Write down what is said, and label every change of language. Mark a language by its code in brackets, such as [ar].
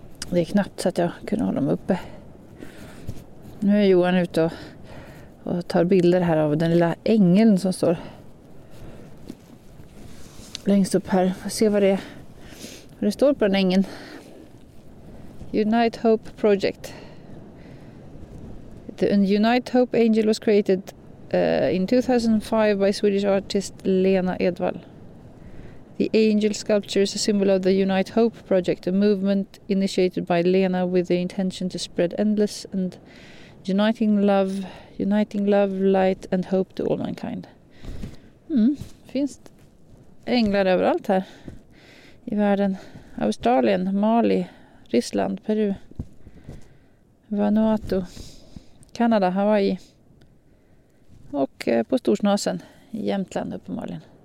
[sv] Det är knappt så att jag kunde hålla mig uppe. Nu är Johan ute och tar bilder här av den lilla ängeln som står längst upp här. Får se vad det är. Vad det står på den ängeln. [en] Unite Hope Project. The Unite Hope Angel was created in 2005 by Swedish artist Lena Edwall. The angel sculpture is a symbol of the Unite Hope Project, a movement initiated by Lena with the intention to spread endless and uniting love, light and hope to all mankind. [sv] Finns änglar överallt här i världen. Australien, Mali, Ryssland, Peru, Vanuatu, Kanada, Hawaii och på Storsnasen i Jämtland uppenbarligen.